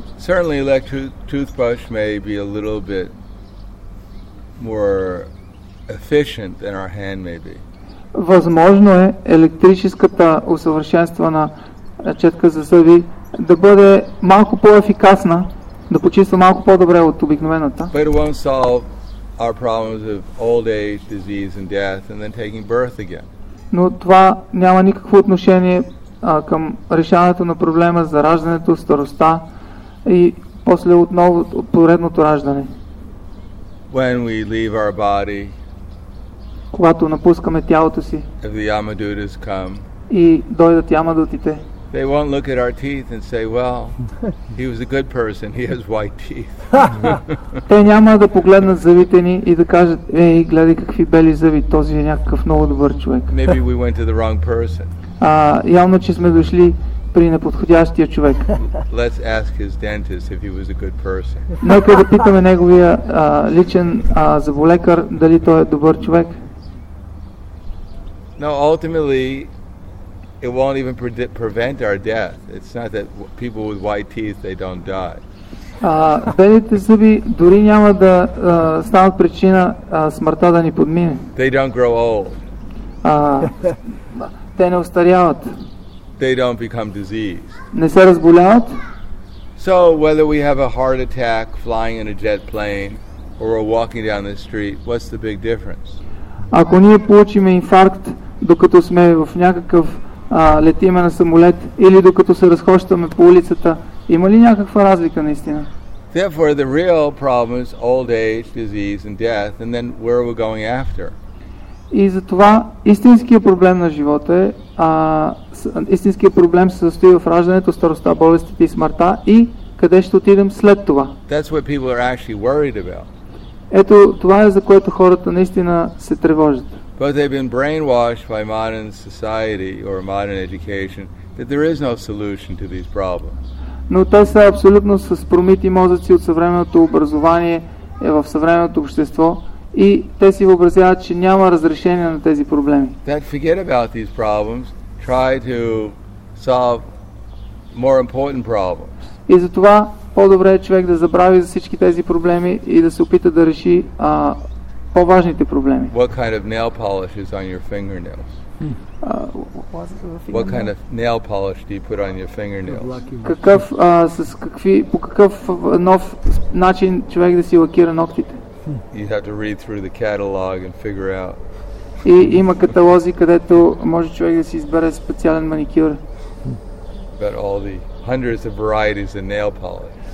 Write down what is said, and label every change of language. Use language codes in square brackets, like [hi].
[en] Certainly electric toothbrush may be a little bit more efficient than our hand may be. [bg] Възможно е електрическата усъвършенствана четка за зъби да бъде малко по-ефикасна, да почиства малко по-добре от обикновената. [en] But it won't solve our problems of old age, disease and death and then taking birth again. [bg] Но това няма никакво отношение към решаването на проблема за раждането, старостта и после отново поредното раждане. [en] When we leave our body, [bg] когато напускаме тялото си, [en] if the Yamadutas come, [bg] и дойдат ямадутите, [en] they won't look at our teeth and say, well, he was a good person, he has white teeth. [bg] Те няма да погледнат зъбите ни и да кажат, ей, гледай какви бели зъби, този е някакъв много добър човек. [en] Maybe we went to the wrong person. [bg] Явно, че сме дошли при неподходящия човек. [en] Let's ask his dentist if he was a good person. [bg] Нека да питаме неговия личен зъболекар дали той е добър човек. [en] No, ultimately, it won't even prevent our death. It's not that people with white teeth, they don't die. [bg] Белите зъби дори няма да станат причина смъртта да ни подмине. [en] They don't grow old. [bg] Те не остаряват. [en] They don't become diseased. [bg] Не се разболяват. [en] So whether we have a heart attack flying in a jet plane or we're walking down the street, what's the big difference? [bg] Ако ние получим инфаркт, докато сме в някакъв летиме на самолет или докато се разхождаме по улицата, има ли някаква разлика наистина? [en] Therefore, the real problem is old age, disease and death, and then where are we going after? [bg] И затова истинският проблем на живота е, истинският проблем се състои в раждането, старостта, болестите и смъртта и къде ще отидем след това. [en] That's what people are actually worried about. [bg] Ето това е, за което хората наистина се тревожат. [en] But they've been brainwashed by modern society or modern education that there is no solution to these problems. [bg] Но те са абсолютно с промити мозъци от съвременното образование и в съвременното общество и те си въобразяват, че няма разрешение на тези проблеми. [en] That forget about these problems, try to solve more important problems. [bg] И затова по-добре е човек да забрави за всички тези проблеми и да се опита да реши по-важните проблеми. [en] What kind of nail polish is on your fingernails? What kind of nail polish do you put on your fingernails? [bg] Какъв по какъв нов начин човек да си лакира ногтите? [en] You have to read through the catalog and figure out. [bg] И има каталози, където може човек да си избере специален маникюр. [en] But all the hundreds of varieties of nail polish.